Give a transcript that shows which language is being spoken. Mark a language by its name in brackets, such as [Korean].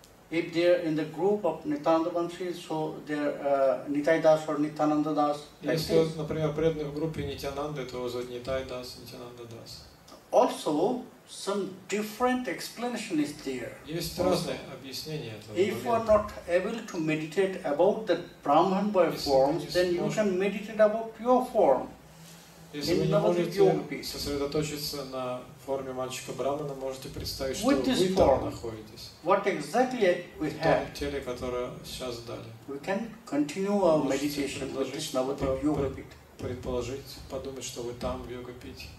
[English] if they are in the group of Nityananda Vamshi, so they are Nitai Das or Nityananda Das. Also, some different explanation is there. If you are not able to meditate about the Brahman by form, then you can meditate about your form. [Russian] Если вы не можете сосредоточиться на форме мальчика Брамана, можете представить, что вы там находитесь. [English] What exactly we have? [Russian] В том теле, которое сейчас дали. [English] We can continue our meditation with this Navadvipa. [Russian] Предположить, подумать, что вы там в йога-пите.